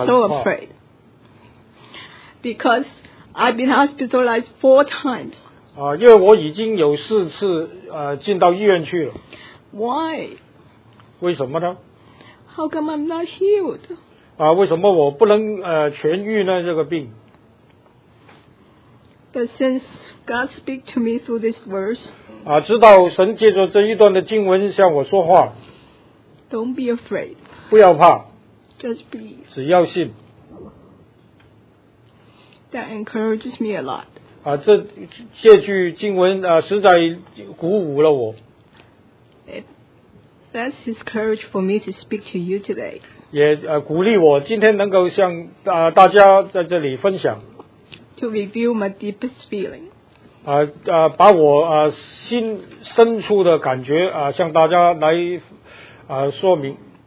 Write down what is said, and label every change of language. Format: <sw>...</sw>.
<en>I'm so afraid. Because I've been hospitalized 4 times.</en> <zh>因为我已经有4次进到医院去了。</zh> <en>Why?</en> <zh>为什么呢?</zh> <en>How come I'm not healed?</en> <zh>为什么我不能痊愈呢，这个病？</zh> <en>But since God speaks to me through this verse,</en> <zh>知道神藉着这一段的经文向我说话。</zh> <en>Don't be afraid.</en> <zh>不要怕。</zh> <en>Just believe.</en> <zh>只要信。</zh> <en>That encourages me a lot.</en> <zh>这借句经文实在鼓舞了我。</zh> <en>That's his courage for me to speak to you today.</en> <zh>也鼓励我今天能够向大家在这里分享。</zh> <en>To reveal my deepest feeling.</en> <zh>把我心深处的感觉向大家来说明。</zh>